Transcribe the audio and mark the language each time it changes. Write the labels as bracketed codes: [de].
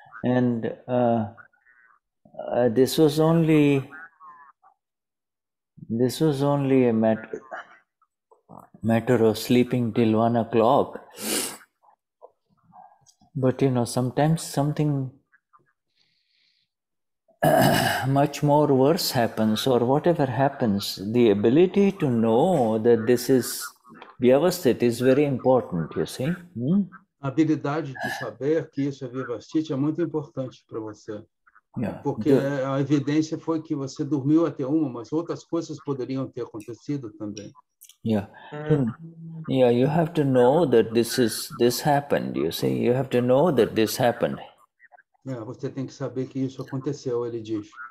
[en] And this was only a matter of sleeping till 1 o'clock. But you know, sometimes something much more worse happens, or whatever happens, the ability to know that this is Vyavasthit is very important, you see. [pt] A habilidade de saber que isso é Vyavasthit é muito importante para você. Porque a evidência foi que você dormiu até uma, mas outras coisas poderiam ter acontecido também. [en] Yeah, you have to know that this happened, you see. You have to know that this happened. [pt] Yeah, você tem que saber que isso aconteceu, ele diz.